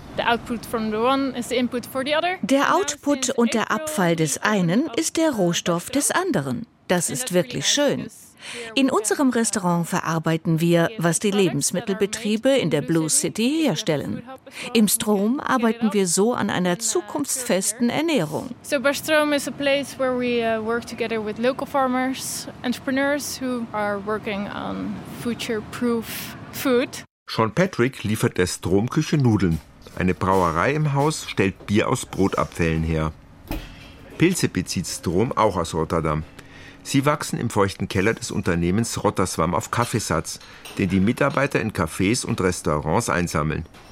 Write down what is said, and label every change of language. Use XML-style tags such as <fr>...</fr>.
<de>Der Output und der Abfall des einen ist der Rohstoff des anderen. Das ist wirklich schön. In unserem Restaurant verarbeiten wir, was die Lebensmittelbetriebe in der Blue City herstellen. Im Strom arbeiten wir so an einer zukunftsfesten Ernährung.</de> <en>So Bastrom is a place where we work together with local farmers, entrepreneurs who are working on future-proof food.</en> <de>Sean Patrick liefert der Stromküche Nudeln. Eine Brauerei im Haus stellt Bier aus Brotabfällen her. Pilze bezieht Strom auch aus Rotterdam. Sie wachsen im feuchten Keller des Unternehmens Rotterswam auf Kaffeesatz, den die Mitarbeiter in Cafés und Restaurants einsammeln.</de>